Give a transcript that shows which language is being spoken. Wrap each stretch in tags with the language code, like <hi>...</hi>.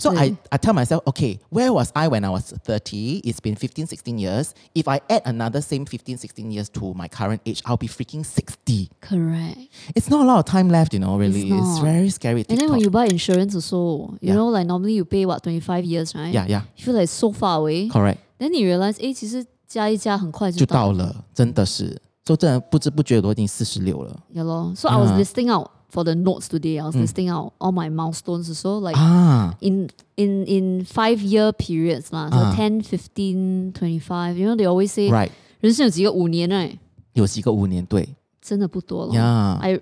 <en>So, I tell myself, okay, where was I when I was 30? It's been 15, 16 years. If I add another same 15, 16 years to my current age, I'll be freaking 60. Correct. It's not a lot of time left, you know, really. It's very scary. TikTok. And then when you buy insurance also, you know, like, normally you pay, what, 25 years, right? Yeah, yeah. You feel like so far away. Correct. Then you realize, hey,</en> <zh>其实... 加一加很快就到了，真的是。 So 真的不知不觉都已经46了。</zh> <en>So I was listing out for the notes today. I was listing out all my milestones. So like in 5 year periods lah, so 10, 15, 25. You know they always say right.</en> <zh>人生有几个五年，对。真的不多了。</zh> <en>Yeah.</en>